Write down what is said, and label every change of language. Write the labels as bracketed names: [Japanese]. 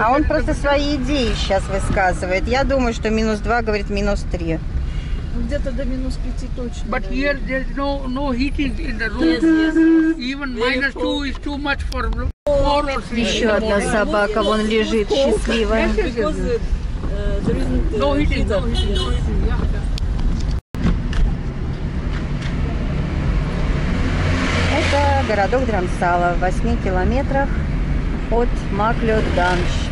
[Russian] А он просто свои идеи сейчас высказывает. Я думаю, что минус 2, говорит, минус 3. Где-то до минус 5 точно. [English] But [Russian] наверное. [English] Here there's no heating in the room. Yes. Even minus 2 is too much for horses. [Russian] Еще одна собака вон лежит счастливая. [English] No heating. [Russian] Это городок Драмсала в 8 километрах от Маклюдганш.